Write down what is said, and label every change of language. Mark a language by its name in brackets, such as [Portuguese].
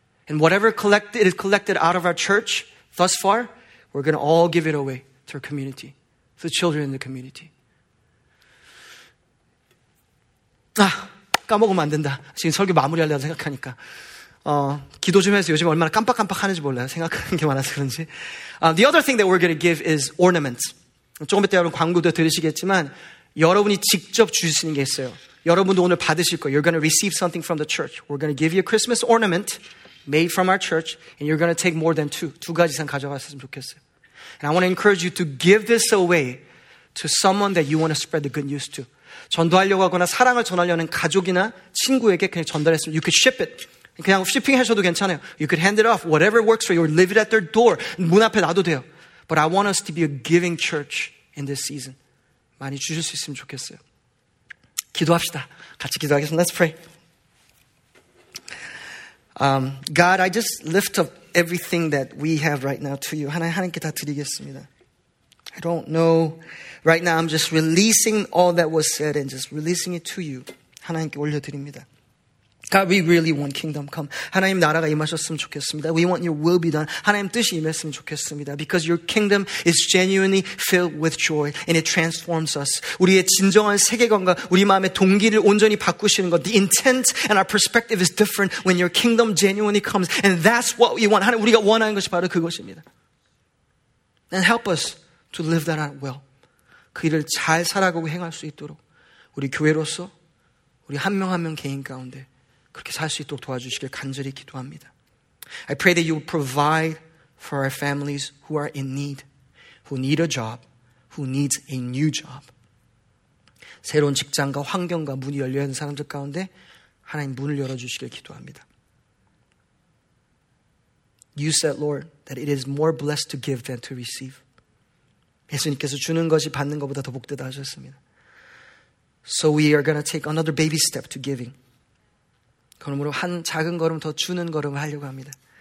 [English] And whatever collected is collected out of our church thus far, we're going to all give it away to our community, to the children in the community. [Korean] 아, 까먹으면 안 된다. 지금 설교 마무리하려고 생각하니까. 기도 좀 해서 요즘 얼마나 깜빡깜빡하는지 몰라요. 생각하는 게 많아서 그런지. [English] The other thing that we're going to give is ornaments. [Korean] 조금 이따 여러분 광고도 들으시겠지만 여러분이 직접 주시는 게 있어요. 여러분도 오늘 받으실 거예요. [English] You're going to receive something from the church. We're going to give you a Christmas ornament made from our church and you're going to take more than two. [Korean] 두 가지 이상 가져가셨으면 좋겠어요. [English] And I want to encourage you to give this away to someone that you want to spread the good news to. [Korean] 전도하려고 하거나 사랑을 전하려는 가족이나 친구에게 그냥 전달했으면 [English] you could ship it. [Korean] 그냥 쇼핑하셔도 괜찮아요. [English] You could hand it off. Whatever works for you. Or leave it at their door. [Korean] 문 앞에 놔도 돼요. [English] But I want us to be a giving church in this season. [Korean] 많이 주실 수 있으면 좋겠어요. 기도합시다. 같이 기도하겠습니다. [English] Let's pray. God, I just lift up everything that we have right now to you. [Korean] 하나님께 다 드리겠습니다. [English] I don't know. Right now, I'm just releasing all that was said and just releasing it to you. [Korean] 하나님께 올려드립니다. [English] God, we really want kingdom come. [Korean] 하나님 나라가 임하셨으면 좋겠습니다. [English] We want your will be done. [Korean] 하나님 뜻이 임했으면 좋겠습니다. [English] Because your kingdom is genuinely filled with joy and it transforms us. [Korean] 우리의 진정한 세계관과 우리 마음의 동기를 온전히 바꾸시는 것. [English] The intent and our perspective is different when your kingdom genuinely comes. And that's what we want. [Korean] 하나님 우리가 원하는 것이 바로 그것입니다. [English] And help us to live that out well. [Korean] 그 일을 잘 살아가고 행할 수 있도록 우리 교회로서 우리 한 명 한 명 개인 가운데 그렇게 살 수 있도록 도와주시길 간절히 기도합니다. [English] I pray that you will provide for our families who are in need, who need a job, who needs a new job. [Korean] 새로운 직장과 환경과 문이 열려있는 사람들 가운데 하나님 문을 열어주시길 기도합니다. [English] You said, Lord, that it is more blessed to give than to receive. [Korean] 예수님께서 주는 것이 받는 것보다 더 복되다 하셨습니다. [English] So we are going to take another baby step to giving. [Korean] 그러므로 한 작은 걸음 더 주는 걸음을 하려고 합니다.